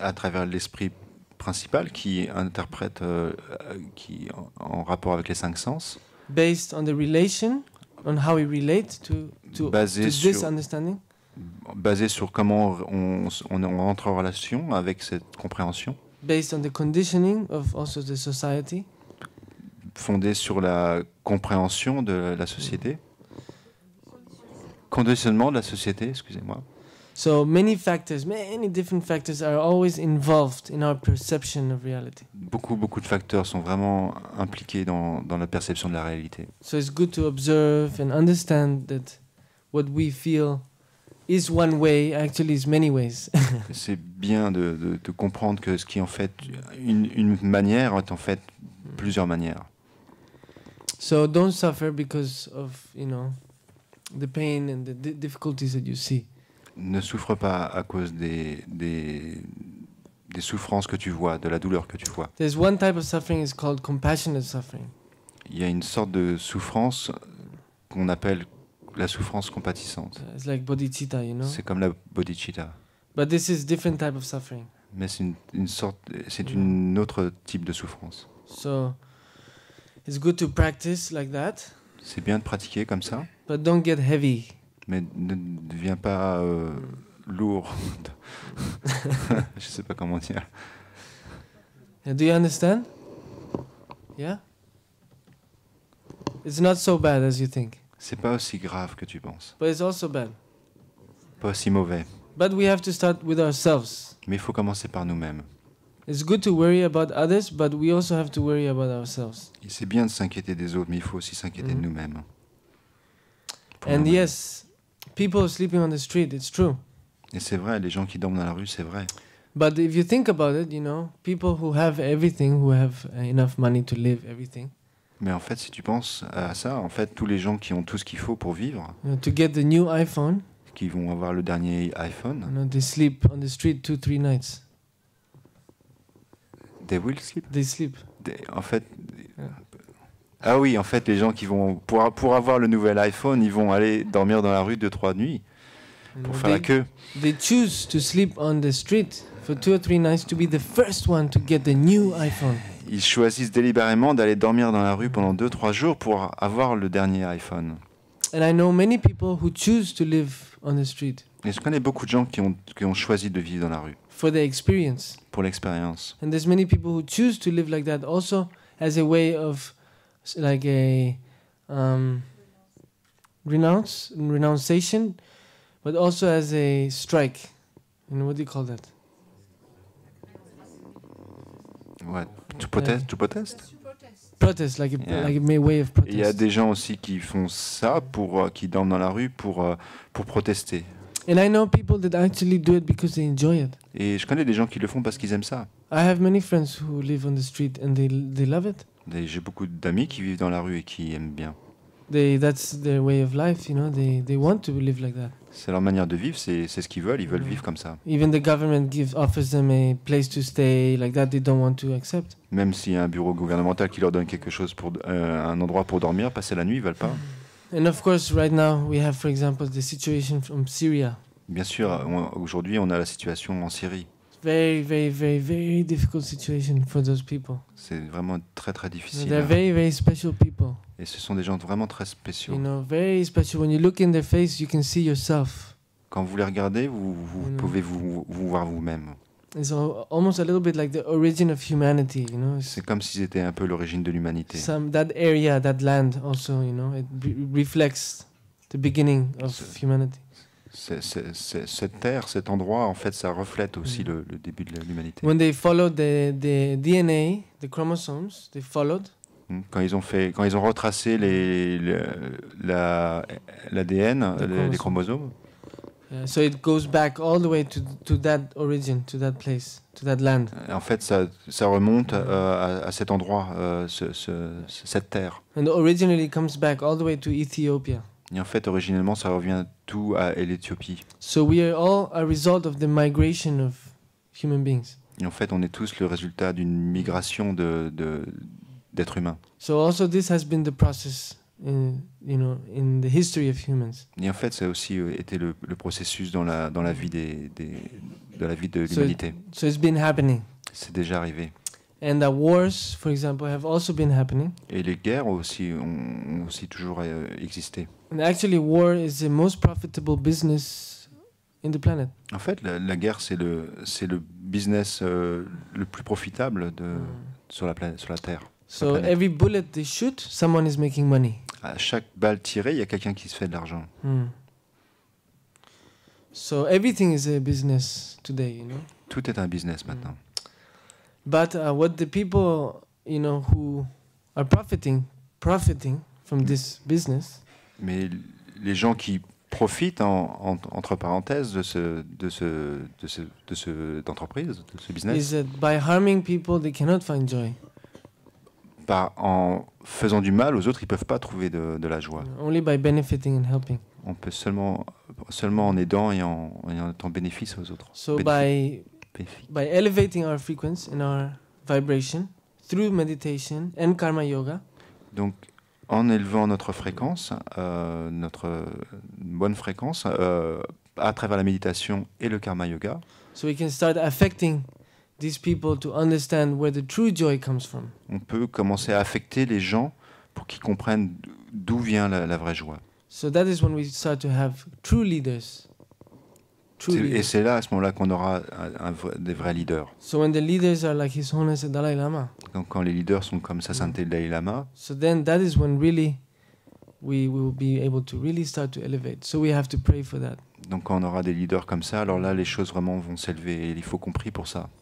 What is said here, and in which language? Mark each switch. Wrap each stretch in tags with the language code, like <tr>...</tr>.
<fr>À travers l'esprit principal qui interprète qui en rapport avec les cinq sens.</fr> <en>Based on the relation, on how we relate to this understanding.</en> <fr>Basé sur comment on entre en relation avec cette compréhension.</fr> <en>Based on the conditioning of also the society.</en> <fr>Fondé sur la compréhension de la société. Conditionnement de la société, excusez-moi.</fr> <en>So many factors, many different factors are always involved in our perception of reality.</en> <fr>Beaucoup de facteurs sont vraiment impliqués dans la perception de la réalité.</fr> <en>So it's good to observe and understand that what we feel is one way, actually is many ways.</en> <fr>C'est bien de comprendre que ce qui est en fait une manière est en fait plusieurs manières.</fr> <en>So don't suffer because of, you know, the pain and the difficulties that you see.</en> <fr>Ne souffre pas à cause des souffrances que tu vois, de la douleur que tu vois.</fr> <en>There's one type of suffering is called compassionate suffering.</en> <fr>Il y a une sorte de souffrance qu'on appelle la souffrance compatissante.</fr> <en>It's like bodhicitta, you know.</en> <fr>C'est comme la bodhicitta.</fr> <en>But this is different type of suffering.</en> <fr>Mais c'est une autre type de souffrance.</fr> <en>So it's good to practice like that.</en> <fr>C'est bien de pratiquer comme ça.</fr> <en>But don't get heavy.</en> <fr>Mais ne deviens pas lourd. Je sais pas comment dire.</fr> <en>Do you understand? Yeah. It's not so bad as you think.</en> <fr>C'est pas aussi grave que tu penses.</fr> <en>But it's also bad.</en> <fr>Pas aussi mauvais.</fr> <en>But we have to start with ourselves.</en> <fr>Mais il faut commencer par nous-mêmes.</fr> <en>It's good to worry about others, but we also have to worry about ourselves.</en> <fr>Et c'est bien de s'inquiéter des autres, mais il faut aussi s'inquiéter de nous-mêmes.</fr> <en>And yes. People sleeping on the street, it's true.</en> <fr>Et c'est vrai, les gens qui dorment dans la rue, c'est vrai.</fr> <en>But if you think about it, you know, people who have everything, who have enough money to live everything.</en> <fr>Mais en fait, si tu penses à ça, en fait, tous les gens qui ont tout ce qu'il faut pour vivre.</fr> <en>You know, to get the new iPhone.</en> <fr>Qui vont avoir le dernier iPhone.</fr> <en>You know, they sleep on the street 2-3 nights. They will sleep. They sleep.</en> <fr>En fait. Ah oui, en fait, les gens qui vont pour avoir le nouvel iPhone, ils vont aller dormir dans la rue 2-3 nuits pour faire la queue.</fr> <en>They choose to sleep on the street for 2-3 nights to be the first one to get the new iPhone.</en> <fr>Ils choisissent délibérément d'aller dormir dans la rue pendant 2-3 jours pour avoir le dernier iPhone.</fr> <en>And I know many people who choose to live on the street.</en> <fr>Et je connais beaucoup de gens qui ont choisi de vivre dans la rue.</fr> <en>For the experience.</en> <fr>Pour l'expérience.</fr> <en>And there's many people who choose to live like that also as a way of like a renunciation, but also as a strike. And what do you call that? What? To protest? Like, to protest? Protest, like a, yeah. like a way of protest.</en> <fr>Il y a des gens aussi qui font ça pour qui dorment dans la rue pour protester.</fr> <en>And I know people that actually do it because they enjoy it.</en> <fr>Et je connais des gens qui le font parce qu'ils aiment ça.</fr> <en>I have many friends who live on the street and they love it.</en> <fr>Et j'ai beaucoup d'amis qui vivent dans la rue et qui aiment bien.</fr> <en>That's their way of life, you know. They want to live like that.</en> <fr>C'est leur manière de vivre. C'est ce qu'ils veulent. Ils veulent vivre comme ça.</fr> <en>Even the government offers them a place to stay like that. They don't want to accept.</en> <fr>Même s'il y a un bureau gouvernemental qui leur donne quelque chose pour un endroit pour dormir, passer la nuit, ils veulent pas.</fr> <en>And of course, right now we have, for example, the situation from Syria.</en> <fr>Bien sûr, aujourd'hui on a la situation en Syrie.</fr> <en>Very, very, very, very difficult situation for those people.</en> <fr>C'est vraiment très, très difficile.</fr> <en>They're very, very special people.</en> <fr>Et ce sont des gens vraiment très spéciaux.</fr> <en>You know, very special. When you look in their face, you can see yourself.</en> <fr>Quand vous les regardez, vous you pouvez know. vous voir vous-même.</fr> <en>It's almost a little bit like the origin of humanity, you know.</en> <fr>C'est comme si c'était un peu l'origine de l'humanité.</fr> <en>That area, that land, also, you know, it reflects the beginning of humanity.</en> <fr>Cette terre, cet endroit, en fait, ça reflète aussi le début de l'humanité.</fr> <en>When they followed the DNA, the chromosomes, they followed.</en> <fr>Quand ils ont retracé l'ADN, les chromosomes.</fr> <en>So it goes back all the way to that origin, to that place, to that land.</en> <fr>En fait, ça remonte à cet endroit, cette terre.</fr> <en>And originally, it comes back all the way to Ethiopia.</en> <fr>Et en fait, originellement, ça revient tout à l'Éthiopie.</fr> <en>So we are all a result of the migration of human beings.</en> <fr>Et en fait, on est tous le résultat d'une migration d'être humain.</fr> <en>So also this has been the process in the history of humans.</en> <fr>Et en fait, ça a aussi été le processus dans la vie dans la vie de l'humanité.</fr> <en>So it's been happening.</en> <fr>C'est déjà arrivé.</fr> <en>And the wars, for example, have also been happening.</en> <fr>Et les guerres aussi ont aussi toujours existé.</fr> <en>And actually, war is the most profitable business in the planet.</en> <fr>En fait, la guerre c'est le business le plus profitable sur la Terre.</fr> <en>So every bullet they shoot, someone is making money.</en> <fr>À chaque balle tirée, il y a quelqu'un qui se fait de l'argent. Hmm.</fr> <en>So everything is a business today, you know.</en> <fr>Tout est un business maintenant. Hmm.</fr> <en>But what the people, you know, who are profiting from this business.</en> <fr>Mais les gens qui profitent entre parenthèses de ce d'entreprise, de ce business.</fr> <en>Is that by harming people, they cannot find joy.</en> <fr>Par en faisant du mal aux autres, ils peuvent pas trouver de la joie.</fr> <en>Only by benefiting and helping.</en> <fr>On peut seulement en aidant et en bénéfice aux autres.</fr> <en>So by elevating our frequency and our vibration through meditation and karma yoga.</en> <fr>Donc en élevant notre fréquence, notre bonne fréquence à travers la méditation et le karma yoga.</fr> <en>So we can start affecting these people to understand where the true joy comes from.</en> <fr>On peut commencer à affecter les gens pour qu'ils comprennent d'où vient la vraie joie.</fr> <en>So that is when we start to have true leaders.</en> <fr>Et c'est là, à ce moment-là, qu'on aura des vrais leaders.</fr> <en>So when the leaders are like His Holiness the Dalai Lama.</en> <fr>Donc quand les leaders sont comme Sa Sainteté le Dalai Lama.</fr> <en>So then that is when really we will be able to really start to elevate. So we have to pray for that.</en> <fr>Donc quand on aura des leaders comme ça, alors là les choses vraiment vont s'élever et il faut qu'on prie pour ça.</fr>